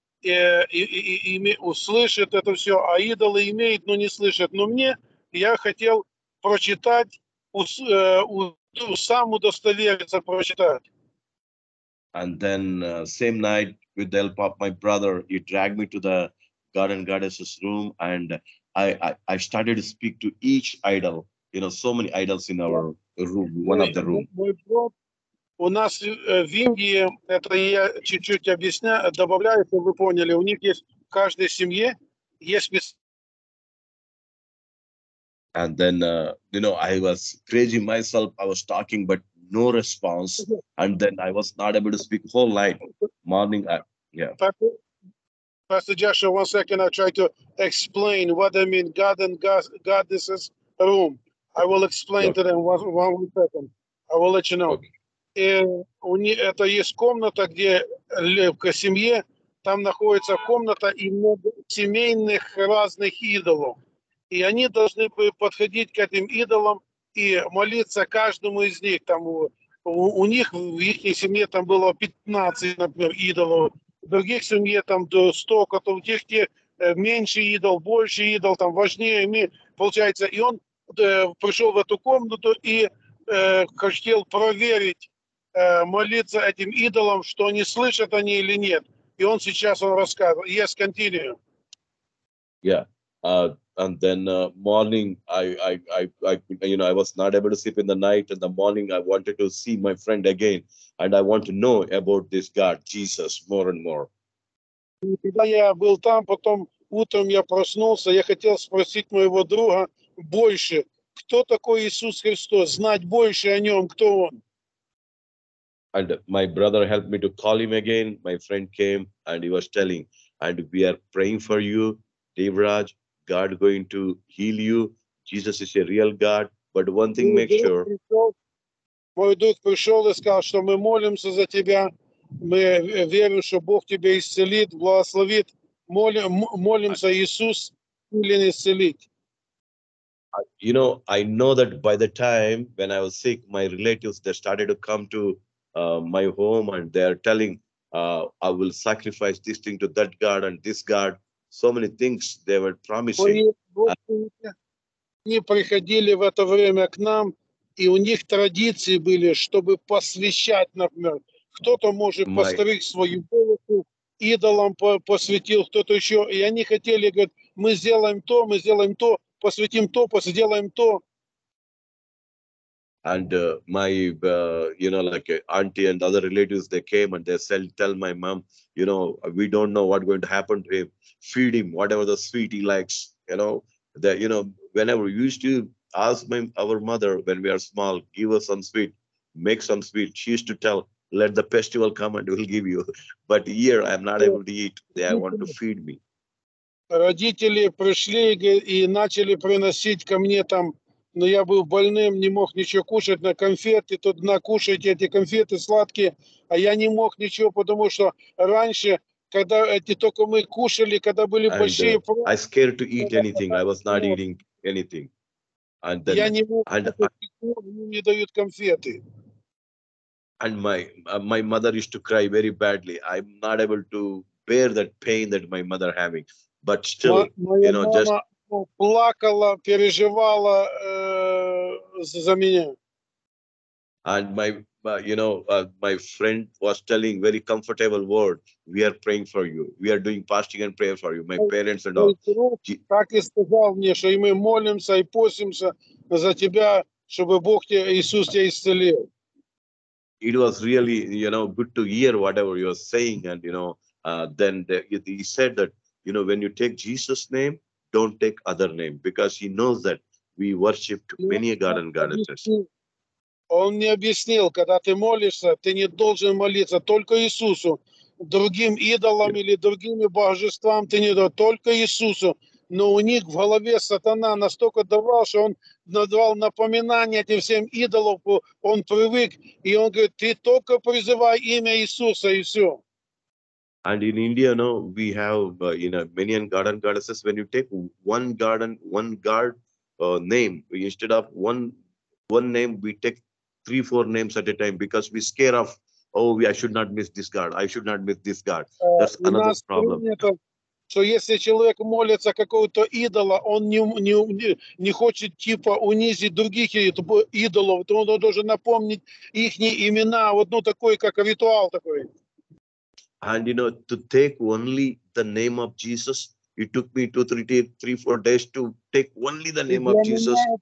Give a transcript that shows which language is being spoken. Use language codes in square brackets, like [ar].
[ru] И услышит это все, а идолы имеет, но не слышит. Но мне, я хотел сам удостовериться, прочитать. [en] And then, same night, with the help of my brother, he dragged me to the God and Goddess's room, and I started to speak to each idol, you know, so many idols in our room, one of the room. [ru] У нас в Индии, это я чуть-чуть объясняю, добавляю, чтобы вы поняли, у них есть, в каждой семье есть место. [en] And then, you know, I was crazy myself, I was talking, but no response. And then I was not able to speak whole night, morning, yeah. Pastor Joshua, one second, I'll try to explain what I mean, God and Goddess's room. I will explain to them one second. I will let you know. Okay. [ru] И у них это есть комната, где лепка семье, там находится комната и много семейных разных идолов. И они должны подходить к этим идолам и молиться каждому из них. Там у них в их семье там было 15, например, идолов, в других семье там до 100, а то у тех, где меньше идол, больше идол, там важнее получается. И он пришел в эту комнату и хотел проверить, молиться этим идолам, что они слышат они или нет. И он сейчас он рассказывает. [en] Yes, continue. Yeah. And then morning, I was not able to sleep in the night. In the morning, I wanted to see my friend again, and I want to know about this God, Jesus, more and more. [ru] Когда я был там, потом утром я проснулся, я хотел спросить моего друга больше, кто такой Иисус Христос, знать больше о нем, кто он. [en] And my brother helped me to call him again. My friend came and he was telling, and we are praying for you, Devraj. God going to heal you. Jesus is a real God. But one thing, make sure. [ru] Мой друг пришел и сказал, что мы молимся за тебя. Мы верим, что Бог тебя исцелит, благословит. Молимся, Иисус, исцелен, исцелит. [en] You know, I know that by the time when I was sick, my relatives, they started to come to my home and they are telling, I will sacrifice this thing to that God and this God. So many things they were promising. [ru] Они приходили в это время к нам, и у них традиции были, чтобы посвящать, например. Кто-то может постричь свою голову, идолам посвятил, кто-то еще. И они хотели, говорят, мы сделаем то, посвятим то, сделаем то. [en] And my, you know, like auntie and other relatives, they came and they said, tell my mom, you know, we don't know what's going to happen to him. Feed him whatever the sweet he likes, you know. That, you know, whenever we used to ask my our mother when we are small, give us some sweet, make some sweet. She used to tell, let the festival come and we'll give you. But here I'm not able to eat. They want to feed me. [ru] Родители пришли и начали приносить ко мне там, но я был больным, не мог ничего кушать, на конфеты, тут накушать эти конфеты сладкие, а я не мог ничего, потому что раньше. Когда эти только мы кушали, когда были [en] and, [ru] большие [en] I scared to eat anything. I was not eating anything. And then, [ru] я не мог, [en] and, [ru] мне не дают конфеты. [en] And my mother used to cry very badly. I'm not able to bear that pain that my mother having. But still, [ru] моя [en] you know, [ru] мама [en] just [ru] плакала, переживала за меня. [en] And my you know, my friend was telling very comfortable word. We are praying for you. We are doing fasting and prayer for you. My parents and all. [ru] Так и сказал мне, что мы молимся и постимся за тебя, чтобы Бог тебя, Иисус тебя исцелил. [en] It was really, you know, good to hear whatever you are saying. And, you know, then he said that, you know, when you take Jesus' name, don't take other name. Because he knows that we worship many a god and goddesses. [ru] Он мне объяснил, когда ты молишься, ты не должен молиться только Иисусу. Другим идолам или другими божествам ты не должен, только Иисусу. Но у них в голове сатана настолько давал, что он назвал напоминание этим всем идолам, он привык. И он говорит, ты только призывай имя Иисуса и все. [en] And in India, no, we have, you know, many god and goddesses. When you take one god and one god name, instead of one name, we take three, four names at a time because we're scared of, oh, I should not miss this God. I should not miss this God. That's another problem. [ru] So, если человек молится какого-то идола, он не хочет типа унизить других идолов, то он должен напомнить их имена, вот ну такой, как ритуал такой. [en] And, you know, to take only the name of Jesus, it took me two, three, four days to take only the name of Jesus.